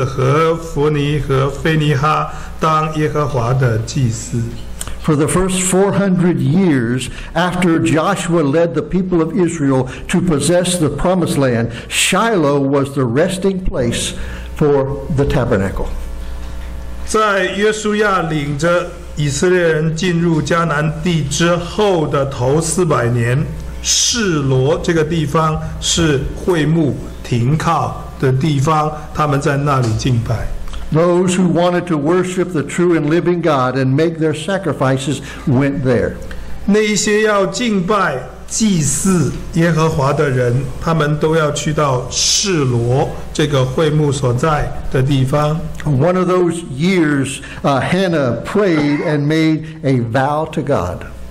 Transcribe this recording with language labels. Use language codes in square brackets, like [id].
[zh] 在那里有以利的两个儿子和弗尼和菲尼哈, 当耶和华的祭司。 [en] For the first 400 years after Joshua led the people of Israel to possess the promised land, Shiloh was the resting place for the tabernacle. [zh] 在约书亚领着以色列人进入迦南地之后的头400年, 示罗这个地方是会幕停靠的地方, 他们在那里敬拜。 [en] Those who wanted to worship the true and living God and make their sacrifices went there. [zh] 那些要敬拜祭祀耶和华的人, 他们都要去到示罗这个会幕所在的地方。 [en] One of those years, Hannah prayed and made a vow to God.